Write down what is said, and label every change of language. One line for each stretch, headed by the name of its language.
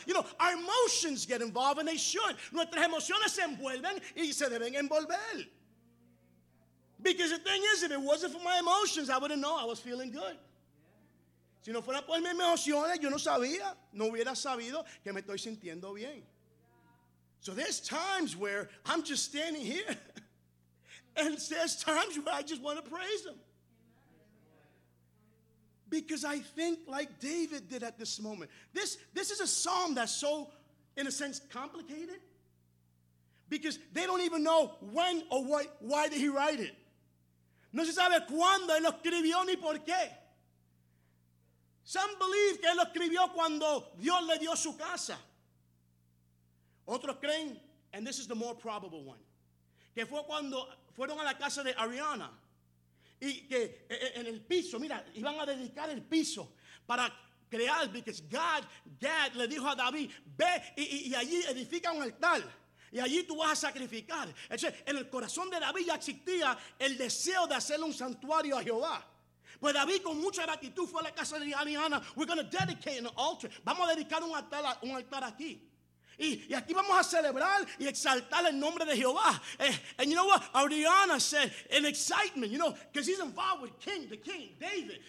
English: You know, our emotions get involved and they should.
Spanish: Nuestras emociones se envuelven y se deben envolver.
English: Because the thing is, if it wasn't for my emotions, I wouldn't know I was feeling good.
Spanish: Si no fuera por mis emociones, yo no sabía. No hubiera sabido que me estoy sintiendo bien.
English: So there's times where I'm just standing here. And there's times where I just want to praise him. Because I think like David did at this moment. This is a psalm that's so, in a sense, complicated. Because they don't even know when or why did he write it.
Spanish: No se sabe cuándo él lo escribió ni por qué.
English: Some believe
Spanish: que él lo escribió cuando Dios le dio su casa. Otros creen,
English: and this is the more probable one,
Spanish: que fue cuando fueron a la casa de Ariana y que en el piso, mira, iban a dedicar el piso para crear,
English: because
Spanish: God le dijo a David, ve y allí edifica un altar y allí tú vas a sacrificar. Entonces, en el corazón de David ya existía el deseo de hacerle un santuario a Jehová. Pues David con mucha gratitud fue a la casa de Ariana,
English: we're going to dedicate an altar,
Spanish: vamos a dedicar un altar aquí. Y aquí vamos a celebrar y exaltar el nombre de Jehová.
English: And you know what? Ariana said, in excitement, you know, because he's involved with the king, David.